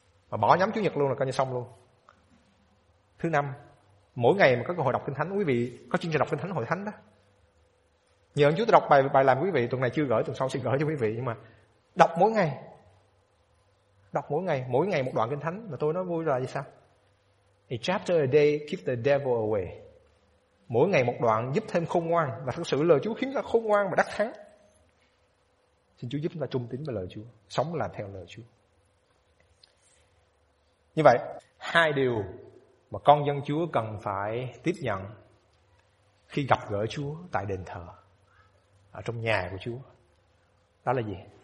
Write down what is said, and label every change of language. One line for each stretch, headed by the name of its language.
Vietnamese: Mà bỏ nhắm Chúa Nhật luôn là coi như xong luôn. Thứ năm, mỗi ngày mà có cơ hội đọc Kinh Thánh, quý vị có chương trình đọc Kinh Thánh hội thánh đó. Nhờ ơn Chúa tôi đọc bài làm quý vị, tuần này chưa gửi, tuần sau sẽ gửi cho quý vị. Nhưng mà đọc mỗi ngày, đọc mỗi ngày một đoạn Kinh Thánh. Mà tôi nói vui là gì sao?
English: A chapter a day keep the devil away.
Vietnamese: Mỗi ngày một đoạn giúp thêm khôn ngoan, và thật sự lời Chúa khiến ta khôn ngoan và đắc thắng. Xin Chúa giúp chúng ta trung tín với lời Chúa, sống làm theo lời Chúa. Như vậy, hai điều mà con dân Chúa cần phải tiếp nhận khi gặp gỡ Chúa tại đền thờ, ở trong nhà của Chúa, đó là gì?